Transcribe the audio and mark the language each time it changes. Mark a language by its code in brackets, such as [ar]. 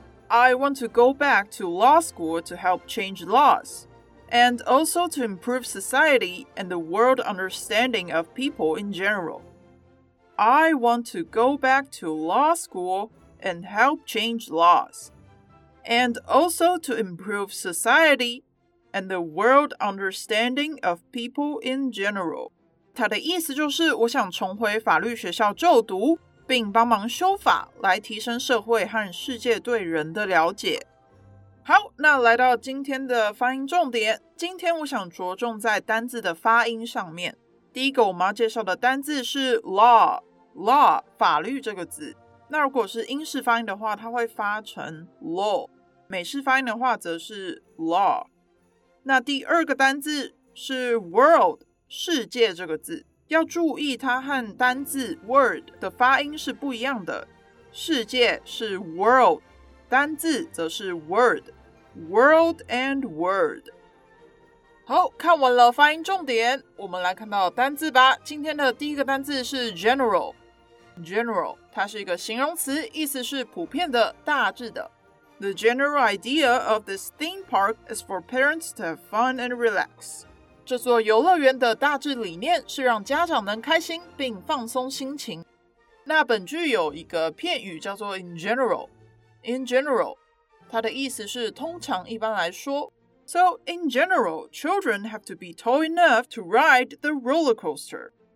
[en] I want to go back to law school to help change laws, and also to improve society and the world understanding of people in general. I want to go back to law school and help change laws, and also to improve society and the world understanding of people in general. [zh] 他的意思就是我想重回法律学校就读并帮忙修法来提升社会和世界对人的了解。好，那来到今天的发音重点，今天我想着重在单字的发音上面。第一个我们要介绍的单字是 law 法律这个字。那如果是英式发音的话，它会发成 law， 美式发音的话则是 law。那第二个单字是 world 世界这个字，要注意它和单字 word 的发音是不一样的，世界是 world， 单字则是 word， [en] world and word。 [zh] 好，看完了发音重点，我们来看到单字吧。今天的第一个单字是 general， 它是一个形容词，意思是普遍的、大致的。 [en] The general idea of this theme park is for parents to have fun and relax。 [zh] 这座游乐园的大致理念是让家长能开心并放松心情。那本句有一个片语叫做 in general， 它的意思是通常、一般来说。 [en] So in general, children have to be tall enough to ride the roller coaster。